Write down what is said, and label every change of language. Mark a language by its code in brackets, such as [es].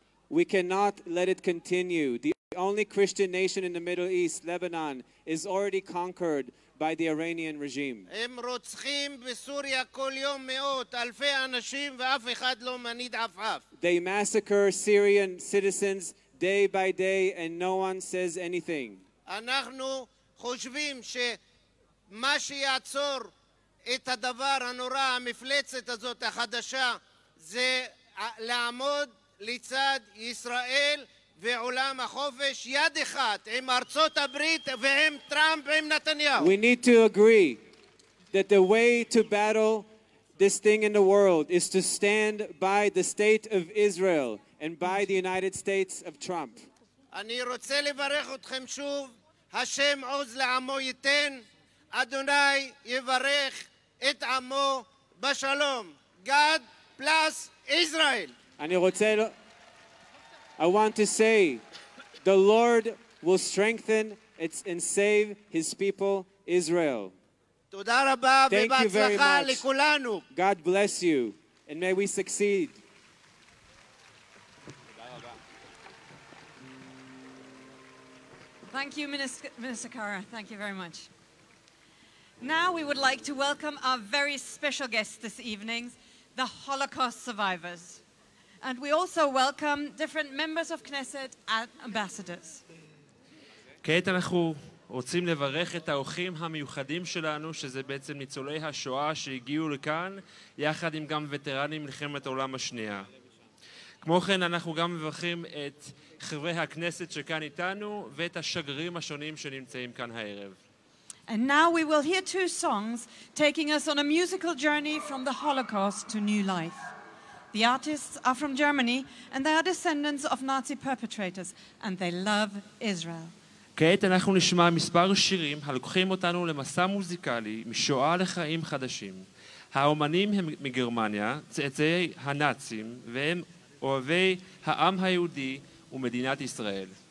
[en] We cannot let it continue. The only Christian nation in the Middle East, Lebanon, is already conquered by the Iranian regime. [he] הם רוצחים בסוריה כל יום מאות אלפי אנשים ואף אחד לא מניד עפעף. [en] They massacre Syrian citizens day by day and no one says anything. [he] אנחנו חושבים שמה שיעצור את הדבר הנורא, המפלצת הזאת החדשה, זה לעמוד לצד ישראל ועולם החופש יד אחת עם ארצות הברית ועם טראמפ ועם נתניהו. [en] We need to agree that the way to battle this thing in the world is to stand by the state of Israel and by the United States of Trump. [he] אני רוצה לברך אתכם שוב, השם עוז לעמו ייתן, אדוני יברך את עמו בשלום. [en] God bless Israel. [he] אני רוצה [en] I want to say the Lord will strengthen its and save his people Israel. [he] תודה רבה ובהצלחה לכולנו. [en] God bless you and may we succeed. Thank you Minister Kara. Thank you very much. Now we would like to welcome our very special guests this evening, the Holocaust survivors. And we also welcome different members of Knesset and ambassadors. [he] כעת אנחנו רוצים לברך את האורחים המיוחדים שלנו, שזה בעצם ניצולי השואה שהגיעו לכאן, יחד עם גם וטרנים מלחמת העולם השנייה. כמו כן, אנחנו גם מברכים את חברי הכנסת שכאן איתנו, ואת השגרירים השונים שנמצאים כאן הערב. [en] And now we will hear two songs taking us on a musical journey from the Holocaust to new life. The artists are from Germany and they are descendants of Nazi perpetrators and they love Israel. [he] כעת אנחנו נשמע מספר שירים הלוקחים אותנו למסע מוזיקלי משואה לחיים חדשים. האומנים הם מגרמניה, צאצאי הנאצים והם אוהבי העם היהודי ומדינת ישראל.